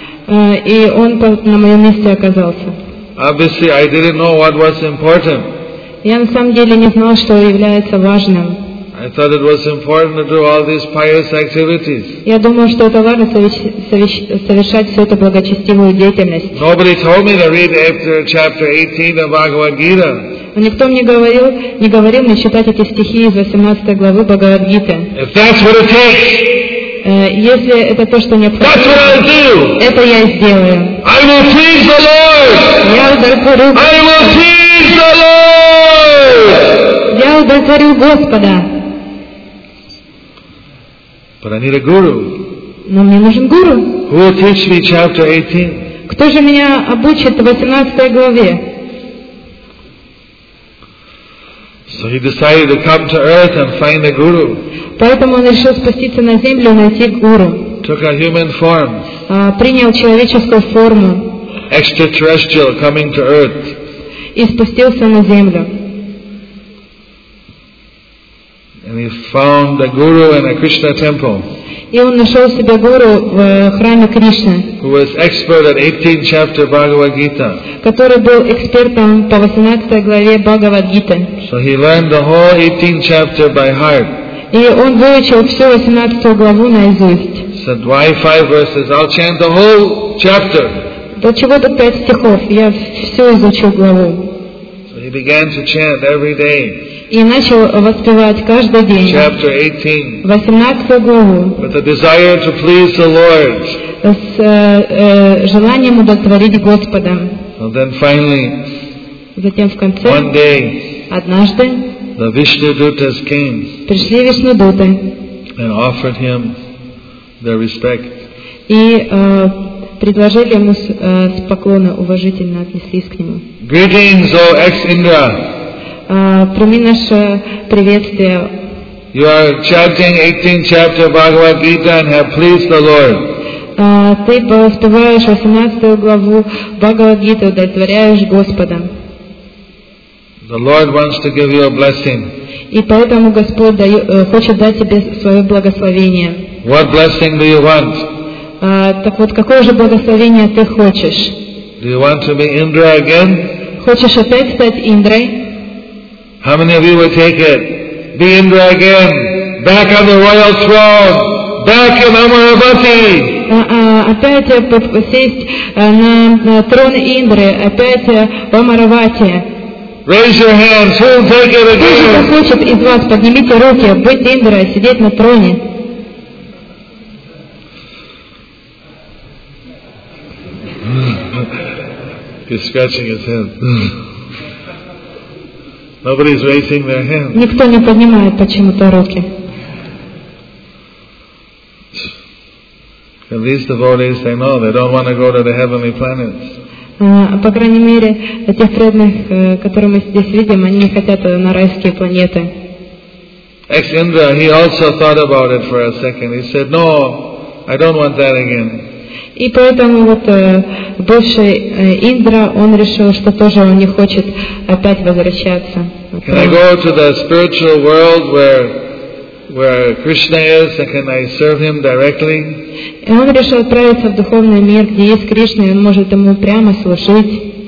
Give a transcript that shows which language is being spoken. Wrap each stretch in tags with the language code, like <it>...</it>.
<ru>И он на моем месте оказался.</ru> <en>Obviously, I didn't know what was important.</en> <ru>Я на самом деле не знал, что является важным.</ru> <en>I thought it was important to do all these pious activities.</en> <ru>Я думал, что это важно совершать всю эту благочестивую деятельность.</ru> <en>Nobody told me to read after chapter 18 of Bhagavad Gita.</en> <ru>Никто мне не говорил мне читать эти стихи из 18 главы Бхагавад Гиты.</ru> <en>If that's what it takes.</en> <ru>Если это то, что необходимо, это я и сделаю.</ru> <en>I will please the Lord.</en> <ru>Я удовлетворю Господа.</ru> <en>I will please the Lord.</en> <ru>Я удовлетворю Господа.</ru> <en>But I need a guru.</en> <ru>Но мне нужен гуру.</ru> <en>Who will teach me chapter 18?</en> <ru>Кто же меня обучит в 18 главе?</ru> <en>So he decided to come to earth and find a guru.</en> <ru>Поэтому он решил спуститься на землю и найти гуру.</ru> <en>Took a human form.</en> <ru>Принял человеческую форму.</ru> <en>Extraterrestrial, coming to earth.</en> <ru>И спустился на землю.</ru> <en>And he found a guru in a Krishna temple.</en> <ru>И он нашел себе гуру в храме Кришны.</ru> <en>Who was expert at 18th chapter Bhagavad Gita.</en> <ru>Который был экспертом по 18 главе Бхагавад Гиты.</ru> <en>So he learned the whole 18th chapter by heart.</en> <ru>И он выучил всю 18 главу наизусть.</ru> <en>Said, why 5 verses? I'll chant the whole chapter.</en> <ru>До чего тут 5 стихов? Я всю изучил главу.</ru> <en>So he began to chant every day.</en> <ru>И начал воспевать каждый день.</ru> <en>Chapter 18.</en> <ru>18 главу.</ru> <en>With the desire to please the Lord.</en> <ru>С желанием удовлетворить Господа.</ru> <en>And then finally.</en> <ru>Затем в конце.</ru> <en>One day.</en> <ru>Однажды.</ru> <en>The Vishnu Dutas came.</en> <ru>Пришли Вишну Дуты.</ru> <en>And offered him their respect.</en> <ru>И предложили ему с поклона, уважительно отнеслись к нему.</ru> <en>Greetings, O ex-Indra.</en> <ru>Прими наше приветствие.</ru> <en>You are chanting 18th chapter Bhagavad Gita and have pleased the Lord.</en> <ru>Ты поспеваешь 18 главу Бхагавад Гиты, удовлетворяешь Господа.</ru> <en>The Lord wants to give you a blessing.</en> <ru>И поэтому Господь хочет дать тебе свое благословение.</ru> <en>What blessing do you want?</en> <ru>Так вот, какое же благословение ты хочешь?</ru> <en>Do you want to be Indra again?</en> <ru>Хочешь опять стать Индрой?</ru> <en>How many of you would take it? Be Indra again, back on the royal throne, back in Amaravati.</en> <ru>Опять сесть на трон Индры, опять в Амаравати.</ru> <en>Raise your hands. Who will take it again?</en> <ru>Кто же хочет из вас, поднимите руки, быть Индрой, сидеть на троне?</ru> <en>He's scratching his head. Nobody's raising their hands.</en> <ru>Никто не поднимает почему-то руки.</ru> <en>And these devotees, they know they don't want to go to the heavenly planets.</en> <ru>По крайней мере, тех преданных, которые мы здесь видим, они не хотят на райские планеты.</ru> <en>Ex-Indra, he also thought about it for a second. He said, "No, I don't want that again."</en> <ru>И поэтому вот бывший Индра, он решил, что тоже он не хочет опять возвращаться.</ru> <en>Can I go to the spiritual world where Krishna is, and can I serve him directly?</en> <ru>И он решил отправиться в духовный мир, где есть Кришна, и он может ему прямо служить.</ru>